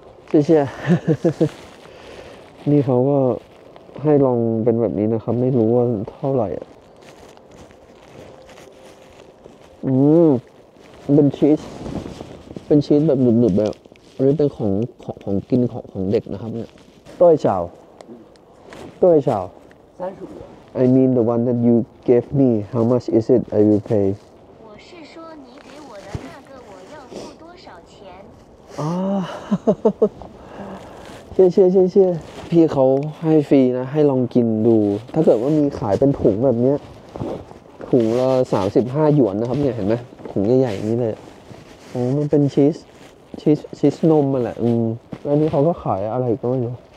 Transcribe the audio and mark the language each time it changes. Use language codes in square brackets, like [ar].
[th] 谢谢นี่เขาก็ให้ลองเป็นแบบนี้นะครับไม่รู้ว่าเท่าไหร่อ่ะเป็นชีสเป็นชีสแบบหนึบๆแบบหรือเป็นของกินของเด็กนะครับเนี่ยต้อยเฉาต้อยเฉา [en] I mean the one that you gave me how much is it I will pay [zh] 我是说你给我的那个我要付多少钱 [th] 啊谢谢พี่เขาให้ฟรีนะให้ลองกินดูถ้าเกิดว่ามีขายเป็นถุงแบบเนี้ยถุงละ35หยวนนะครับเนี่ยเห็นไหมถุงใหญ่ๆนี้เลยโอ้มันเป็นชีสนมมาแหละแล้วนี่เขาก็ขายอะไรก็ไม่รู้